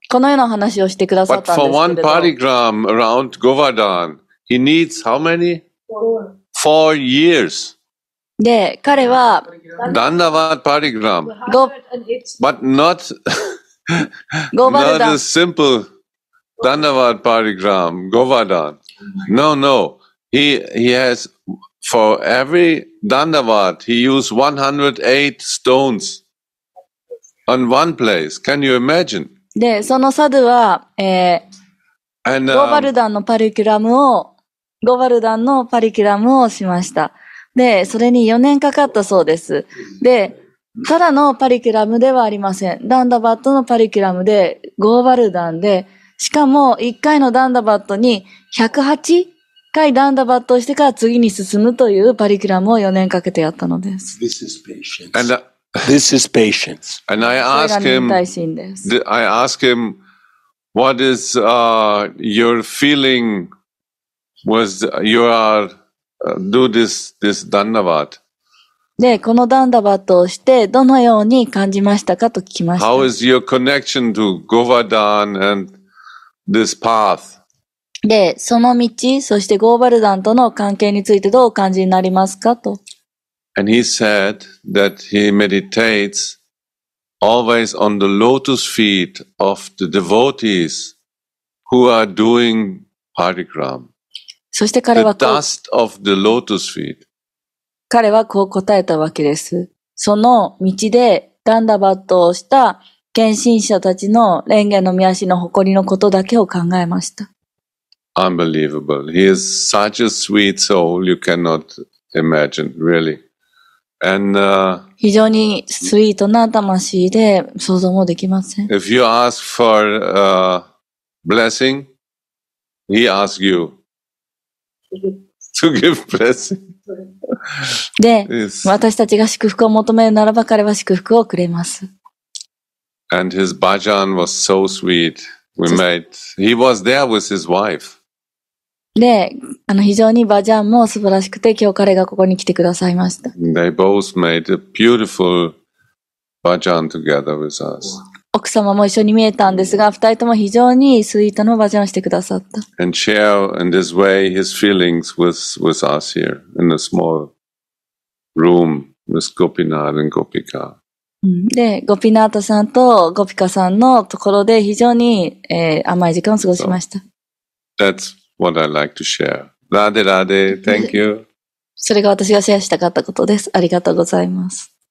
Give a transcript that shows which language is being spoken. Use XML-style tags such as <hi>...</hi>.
<ja>このような話をしてくださったんですけれど。</ja> <en>But for one parigram around Govardhan, he needs how many? Four years.</en> <ja>で、彼は、</ja> <en>Dandavat parigram. But not, not a simple Dandavat parigram, Govardhan. No, no. he has, for every dandavat, he used 108 stones on one place. Can you imagine?</en> <ja>で、そのサドゥは、ゴバルダンのパリキュラムを、ゴバルダンのパリキュラムをしました。で、それに4年かかったそうです。で、ただのパリキュラムではありません。ダンダバットのパリキュラムで、ゴーバルダンで、しかも1回のダンダバットに108回ダンダバットをしてから次に進むというパリキュラムを4年かけてやったのです。</ja> <en>This is patience. And, this is patience. And I ask him, I ask him, what is, your feeling was, you are, do this, this dandavat.</en> <ja>で、このダンダバットをして、どのように感じましたかと聞きました。</ja> <en>How is your connection to Govardhan and this path?</en> <ja>で、その道、そしてゴーバルダンとの関係についてどうお感じになりますかと。</ja> <en>And he said that he meditates always on the lotus feet of the devotees who are doing parikram.</en> <ja>そして彼はこう。</ja> <en>The dust of the lotus feet.</en> <ja>彼はこう答えたわけです。その道でダンダバットをした献身者たちの蓮華の御足の誇りのことだけを考えました。</ja> <en>Unbelievable. He is such a sweet soul you cannot imagine, really. And,</en> <ja>非常にスイートな魂で想像もできません。</ja> <en>If you ask for a blessing, he asks you to give blessing.</en> <ja>で、私たちが祝福を求めるならば彼は祝福をくれます。</ja> <en>And his bhajan was so sweet. We made. He was there with his wife.</en> <ja>で、非常にバジャンも素晴らしくて、今日彼がここに来てくださいました。</ja> <en>They both made a beautiful bhajan together with us.</en> <ja>奥様も一緒に見えたんですが、二人とも非常にスイートのバジャンをしてくださった。</ja> <en>And share in this way his feelings with us here in a small room with Gopinath and Gopika.</en> <ja>で、ゴピナータさんとゴピカさんのところで非常に、甘い時間を過ごしました。</ja> <en>So, that's what I like to share. Radhe, Radhe, thank you.</en> <ja>それが私がシェアしたかったことです。ありがとうございます。</ja>